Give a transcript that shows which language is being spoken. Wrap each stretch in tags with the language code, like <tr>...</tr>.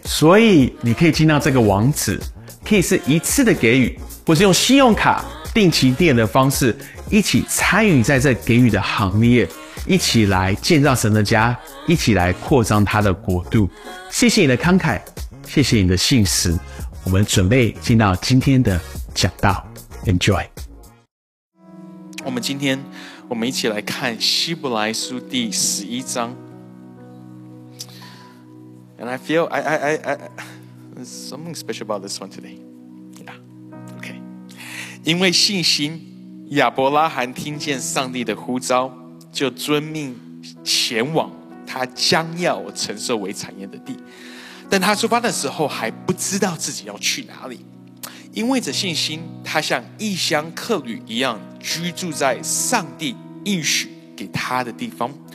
<zh>所以你可以进到这个网址，可以是一次的给予，或是用信用卡定期定额的方式，一起参与在这给予的行列，一起来建造神的家，一起来扩张他的国度。谢谢你的慷慨，谢谢你的信实，我们准备进到今天的讲道。</zh> <en>Enjoy。</en> <zh>我们今天我们一起来看希伯来书第十一章。</zh> <en>And I feel there's something special about this one today. Yeah. OK.</en> <zh>因为信心，亚伯拉罕听见上帝的呼召，就遵命前往他将要承受为产业的地。但他出发的时候还不知道自己要去哪里，因为这信心，他像异乡客旅一样居住在上帝应许给他的地方。</zh>